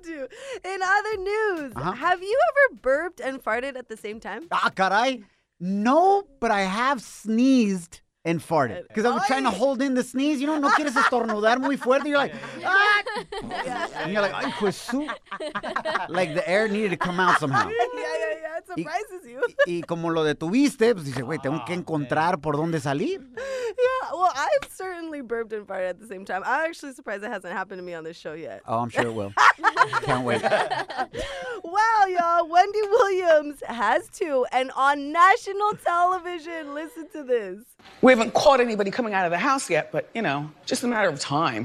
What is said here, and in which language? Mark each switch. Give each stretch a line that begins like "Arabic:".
English: In other news, have you ever burped and farted at the same time?
Spanish: Ah, caray.
English: No, but I have sneezed and farted. Because I was trying to hold in the sneeze. You know,
Spanish: no quieres estornudar muy fuerte.
English: You're like, And you're like,
Spanish: ay, pues su.
English: Like the air needed to come out somehow. Yeah, yeah, yeah. It surprises you.
Spanish: Y como lo detuviste, pues dice, güey, tengo que encontrar por dónde salir.
English: Yeah, well, I've certainly burped and farted at the same time. I'm actually surprised it hasn't happened to me on this show yet. Oh, I'm sure it will. Can't wait. Wow, y'all. Wendy Williams has two, and on national television, listen to this. We haven't caught anybody coming out of the house yet, but, you know, just a matter of time.